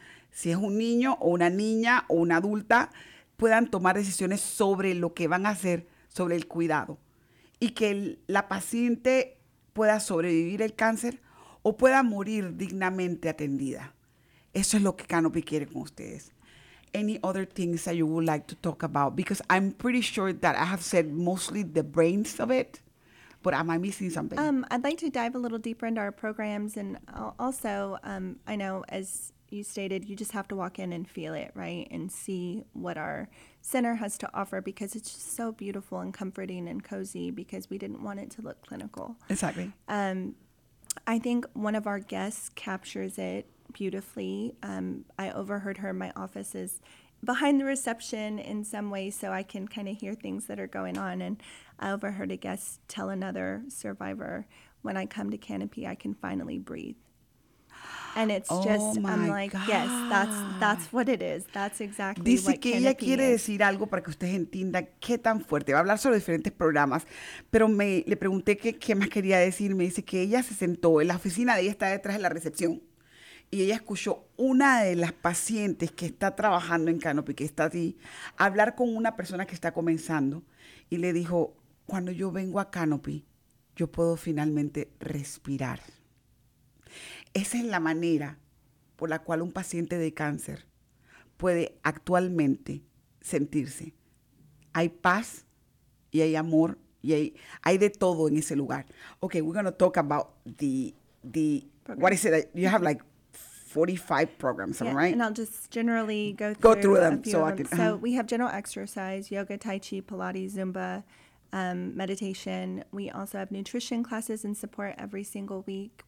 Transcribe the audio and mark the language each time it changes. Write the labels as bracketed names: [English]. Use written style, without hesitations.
[Spanish] Si es un niño o una niña o una adulta, puedan tomar decisiones sobre lo que van a hacer, sobre el cuidado. Y que la paciente pueda sobrevivir el cáncer o pueda morir dignamente atendida. Eso es lo que Canopy quiere con ustedes. [English] Any other things that you would like to talk about? Because I'm pretty sure that I have said mostly the brains of it, but am I missing something? I'd like to dive a little deeper into our programs. And also, I know, as you stated, you just have to walk in and feel it, right? And see what our center has to offer, because it's just so beautiful and comforting and cozy, because we didn't want it to look clinical. Exactly. I think one of our guests captures it beautifully. I overheard her. My office is behind the reception in some way, so I can kind of hear things that are going on. And I overheard a guest tell another survivor, when I come to Canopy, I can finally breathe. And it's just, I'm like, yes, that's what it is. That's exactly [Spanish] dice [English] what [Spanish] que ella quiere [English] is. [Spanish] Decir algo para que ustedes entiendan qué tan fuerte. Va a hablar sobre diferentes programas, pero me le pregunté qué más quería decir. Me dice que ella se sentó en la oficina de ella, está detrás de la recepción, y ella escuchó una de las pacientes que está trabajando en Canopy, que está así, hablar con una persona que está comenzando, y le dijo, cuando yo vengo a Canopy, yo puedo finalmente respirar. Esa es la manera por la cual un paciente de cáncer puede actualmente sentirse. Hay paz y hay amor y hay de todo en ese lugar. [English] Okay, we're going to talk about the okay. What is it? You have like 45 programs, yeah, right? And I'll just generally go through them. So we have general exercise, yoga, tai chi, pilates, zumba, meditation. We also have nutrition classes and support every single week.